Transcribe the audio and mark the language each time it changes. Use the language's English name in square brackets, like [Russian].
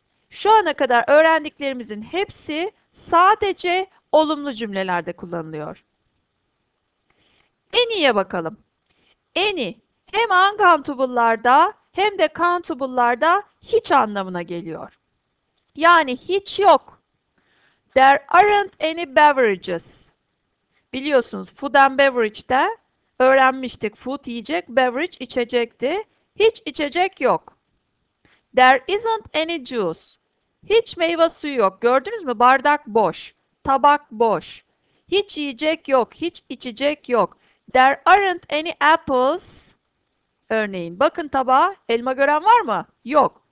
[Turkish] Şu ana kadar öğrendiklerimizin hepsi sadece olumlu cümlelerde kullanılıyor. Any'ye bakalım. Any hem uncountable'larda hem de countable'larda hiç anlamına geliyor. Yani hiç yok. [English] There aren't any beverages. [Turkish] Biliyorsunuz food and beverage'de öğrenmiştik. Food yiyecek, beverage içecekti. Hiç içecek yok. [English] There isn't any juice. [Turkish] Hiç meyve suyu yok. Gördünüz mü? Bardak boş. Tabak boş. Hiç yiyecek yok. Hiç içecek yok. [English] There aren't any apples. [Turkish] Örneğin. Bakın tabağa. Elma gören var mı? Yok.